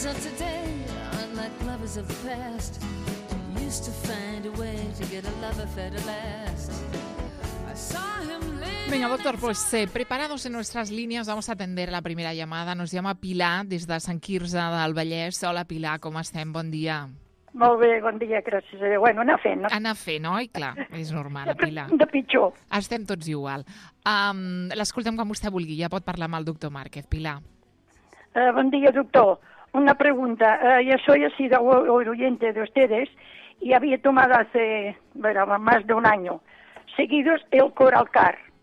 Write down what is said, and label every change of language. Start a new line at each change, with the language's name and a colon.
English: lovers of today aren't like lovers of the past. We used to find a way to get a love affair to last.
Spanish: Venga, doctor, pues preparados en nuestras líneas, vamos a atender la primera llamada. Nos llama
Catalan: Pilar, des de Sant Quirze del Vallès. Hola, Pilar, com estem? Bon dia. Molt bé, bon dia, gràcies. Bueno, anar fent, no? Anar fent, no? I clar, és normal, Pilar. De pitjor. Estem tots igual. L'escoltem quan vostè vulgui, ja pot parlar amb el doctor Márquez, Pilar. Bon dia, doctor. Una pregunta.
Spanish: Yo soy así del oyente de ustedes y había tomado hace, bueno, más de un año seguidos el Coralcar.